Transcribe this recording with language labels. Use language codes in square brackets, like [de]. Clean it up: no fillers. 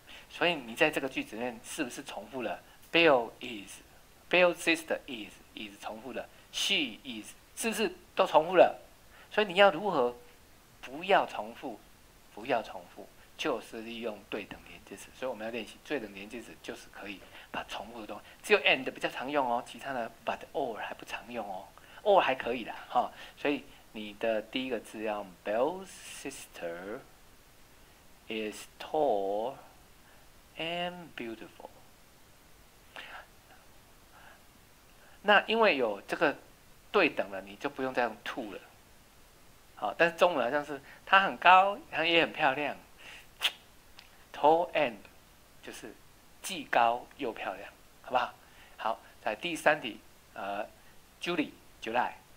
[zh] 所以你在这个句子里面是不是重复了？ [en] Bill is, Bill's sister is [zh] 重复了，She is 是不是都重复了？所以你要如何不要重复？不要重复，就是利用对等连接词。所以我们要练习对等连接词，就是可以把重复的东西，只有 and 比较常用哦，其他的 but or 还不常用哦，or 还可以啦，哈。所以你的第一个字要 [en] Bell's sister is tall and beautiful。 [zh] 那因为有这个对等了，你就不用再用 to 了。好，但是中文好像是她很高，她也很漂亮。 Tall and 就是既高又漂亮，好不好？好，在第三题，Julie July。